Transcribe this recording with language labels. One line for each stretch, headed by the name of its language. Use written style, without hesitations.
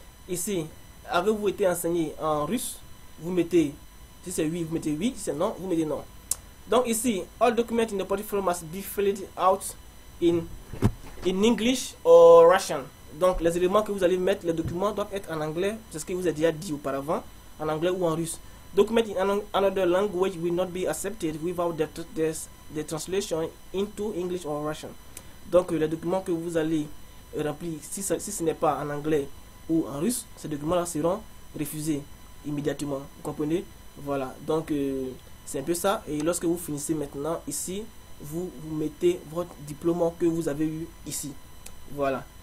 French: Ici, avez-vous été enseigné en russe? Vous mettez, si c'est oui, vous mettez oui, si c'est non, vous mettez non. Donc ici,
English: all documents in the portfolio must be filled out in English or Russian.
French: Donc les éléments que vous allez mettre, les documents doivent être en anglais, c'est ce que je vous ai déjà dit auparavant, en anglais ou en russe.
English: Document in another language will not be accepted without the translation into English or Russian.
French: Donc les documents que vous allez remplir, si ce n'est pas en anglais ou en russe, ces documents-là seront refusés immédiatement. Vous comprenez? Voilà. Donc c'est un peu ça. Et lorsque vous finissez maintenant ici, vous mettez votre diplôme que vous avez eu ici. Voilà.